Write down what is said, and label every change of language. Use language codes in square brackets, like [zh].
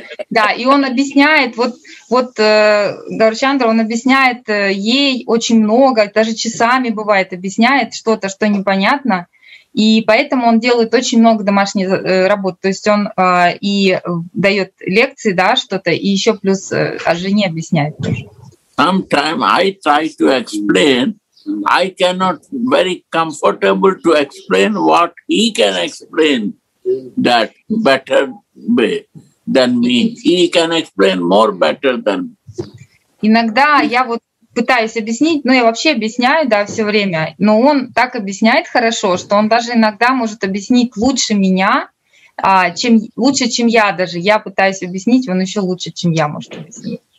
[ru] Да, и он объясняет, вот Гаурачандра, он объясняет ей очень много, даже часами бывает, объясняет что-то, что непонятно. И поэтому он делает очень много домашней работы. То есть он и дает лекции, да, что-то, и еще плюс о жене объясняет тоже. [en] Sometimes I try to explain, I cannot very comfortable to explain what he can explain that better way than me. He can explain more better than me. [ru] Иногда я вот пытаюсь объяснить, ну я вообще объясняю, да, все время, но он так объясняет хорошо, что он даже иногда может объяснить лучше меня, лучше, чем я даже. Я пытаюсь объяснить, он еще лучше, чем я, может объяснить.